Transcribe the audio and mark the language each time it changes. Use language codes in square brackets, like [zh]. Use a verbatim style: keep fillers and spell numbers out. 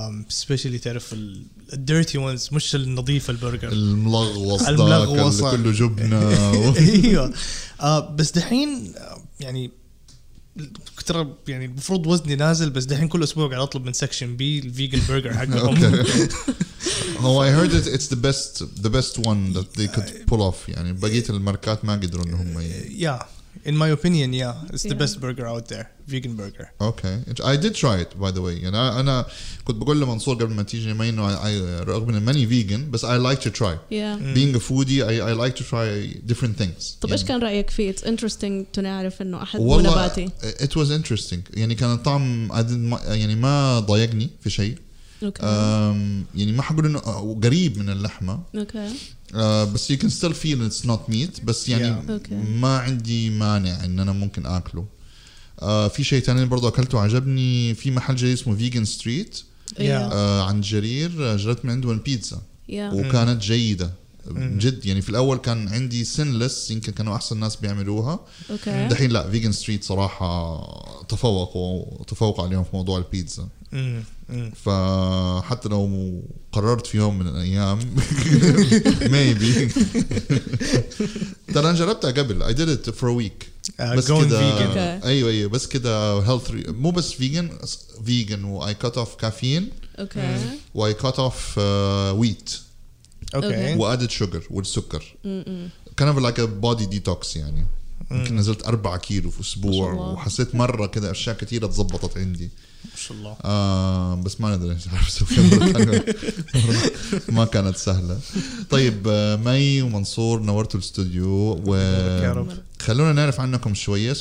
[en] especially [ar] تعرف ال [en] dirty ones [ar] مش النظيف البرجر. الملغوص. الملغوص. كله جبنة. إيوه. بس دحين يعني كتر يعني المفروض وزني نازل بس دحين كل أسبوع قاعد أطلب من سكشن بي الفيجن برجر حقهم. [en] Oh, I heard it. It's the best, the best one that they could pull off. [ar] يعني بقية الماركات ما قدروا إنهم. [en] Yeah. In my opinion, yeah, it's yeah. the best burger out there, vegan burger. Okay, I did try it by the way. And I, and I, [ar] كنت بقول لمنصور قبل ما تيجي ما إنه [en] I [ar] رغم إن ماني vegan, [en] but I like to try. Yeah. Mm. Being a foodie, I, I like to try different things. [ar] طب إيش كان رأيك فيه؟ [en] It's interesting to [ar] نعرف إنه أحد مو نباتي. [en] It was interesting. [ar] يعني كان الطعم يعني ما ضايقني في شيء. [en] Okay. [ar] يعني ما حقول إنه قريب من اللحمة. [en] Okay. Uh, [ar] بس [en] you can still feel it's not meat [ar] بس يعني [en] yeah. okay. [ar] ما عندي مانع ان انا ممكن اكله. uh, في شيء تاني برضه اكلته عجبني في محل جديد اسمه فيجن ستريت [en] yeah. uh, [ar] عند جرير. جربت من عندهم البيتزا [en] yeah. [ar] وكانت جيدة جد يعني. في الاول كان عندي سينلس يمكن كانوا احسن ناس بيعملوها. [en] okay. [ar] دحين لا فيجن ستريت صراحة تفوقوا تفوق عليهم في موضوع البيتزا. فحتى لو قررت في يوم من الأيام [en] maybe [ar] ترى جربتها قبل [en] I did it for a week uh, going vegan. okay. [ar] أيوة أيوة بس كده [en] healthy [ar] مو بس [en] vegan vegan [ar] و [en] I cut off caffeine okay. [ar] و [en] I cut off uh, wheat okay. [ar] و [en] added sugar [ar] والسكر [en] kind of like a body detox [ar] يعني. ممكن نزلت أربعة كيلو في أسبوع وحسيت مرة كده أشياء كتيرة تزبطت عندي ما شاء الله. آه بس ما ندري عارف سوينا ما كانت سهلة. طيب مي ومنصور نورتوا الاستوديو وخلونا نعرف عنكم شوية.